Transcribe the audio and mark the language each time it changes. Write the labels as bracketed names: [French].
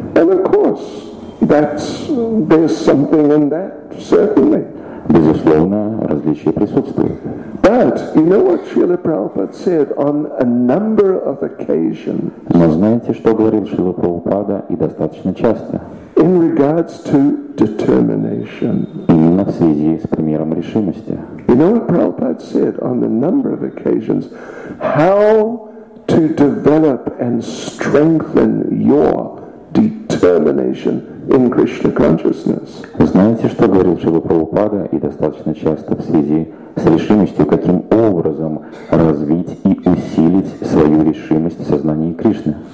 [English] And of course, that's, there's something in that, certainly. [Russian] Безусловно, различия присутствуют. [English] But you know what Srila Prabhupada said on a number of occasions. [Russian] Но знаете, что говорил Шрила Прабхупада и достаточно часто? [English] In regards to determination. [Russian] Именно в связи с примером решимости. [English] You know what Prabhupada said on a number of occasions? How to develop and strengthen your determination in Krishna consciousness. [Russian] Знаете, что говорил Шрила Прабхупада и достаточно часто в связи с решимостью, каким образом развить и усилить свою решимость в сознании Кришны.